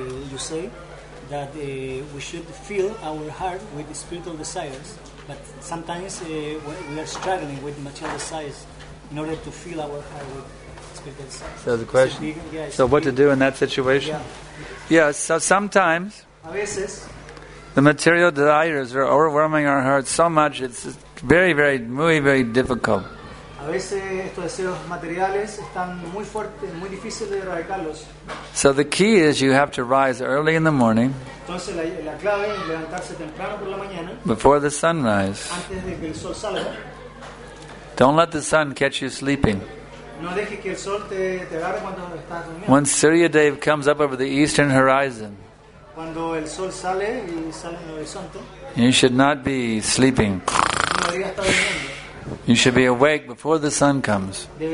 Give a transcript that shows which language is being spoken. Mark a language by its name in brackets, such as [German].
[English] He says that we should fill our heart with spiritual desires, but sometimes we are struggling with material desires in order to fill our heart with spiritual desires. So the question, what to do in that situation? Yeah. So sometimes [Spanish] a veces, [English] the material desires are overwhelming our hearts so much it's very, very, very, very difficult. [Spanish] A veces estos deseos materiales están muy fuertes, muy difíciles de erradicarlos. [English] So the key is you have to rise early in the morning. [Spanish] Entonces la clave es levantarse temprano por la mañana. [English] Before the sunrise. [Spanish] Antes de que el sol salga. [English] Don't let the sun catch you sleeping. [Spanish] No dejes que el sol te agarre cuando estás durmiendo. [English] When Suryadev comes up over the eastern horizon. [Spanish] Cuando el sol sale y sale en el horizonte. [English] You should not be sleeping. [Spanish] No debería estar durmiendo. [English] You should be awake before the sun comes.